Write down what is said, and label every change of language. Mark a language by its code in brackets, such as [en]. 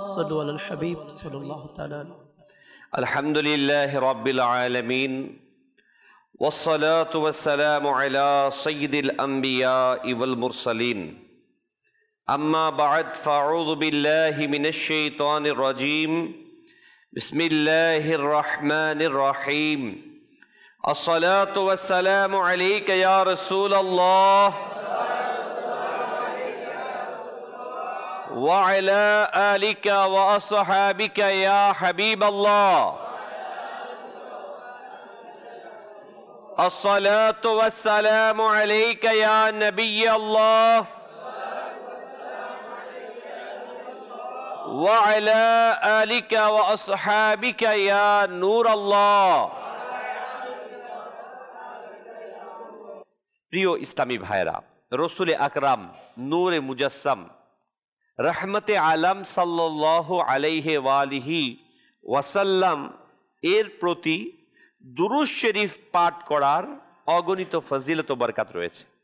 [bn] সাল্লু আলাল হাবিব সাল্লাল্লাহু তাআলা আলাইহি। [ar] الحمد لله رب العالمين والصلاة والسلام على سيد الأنبياء والمرسلين أما بعد فأعوذ بالله من الشيطان الرجيم بسم الله الرحمن الرحيم الصلاة والسلام عليك يا رسول الله وعلى آلك وأصحابك يا حبيب الله الصلاة والسلام عليك يا نبي الله وعلى آلك وأصحابك يا نور الله। [bn] প্রিয় ইসলামী ভাইরা, রসুল আকরাম নূরে মুজাসসাম রহমতে আলম সাল্লাল্লাহু আলাইহি ওয়ালিহি ওয়াসাল্লাম এর প্রতি দুরুদ শরীফ পাঠ করার অগণিত ফজিলত ও বরকত রয়েছে।